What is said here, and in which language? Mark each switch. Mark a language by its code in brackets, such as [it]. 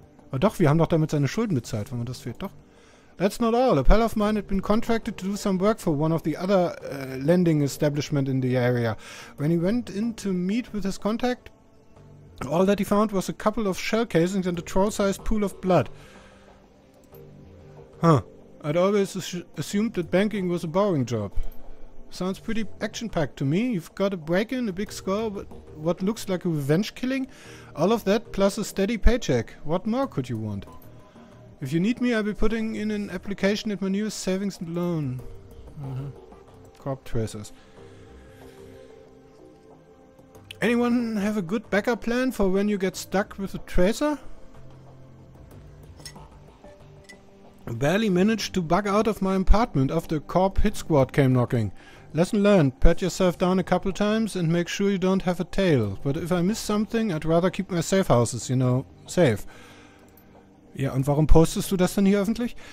[de] Oh doch, wir haben doch damit seine Schulden bezahlt, wenn man das fehlt. Doch. [en] That's not all. A pal of mine had been contracted to do some work for one of the other lending establishment in the area. When he went in to meet with his contact, all that he found was a couple of shell casings and a troll-sized pool of blood. Huh. I'd always assumed that banking was a boring job. Sounds pretty action-packed to me. You've got a break-in, a big score, what looks like a revenge killing. All of that plus a steady paycheck. What more could you want? If you need me, I'll be putting in an application at my newest savings and loan. Crop tracers. Anyone have a good backup plan for when you get stuck with a tracer? I barely managed to bug out of my apartment after a corp hit squad came knocking. Lesson learned, pat yourself down a couple times and make sure you don't have a tail. But if I miss something, I'd rather keep my safe houses, you know, safe. [de] Ja, und warum postest du das denn hier öffentlich?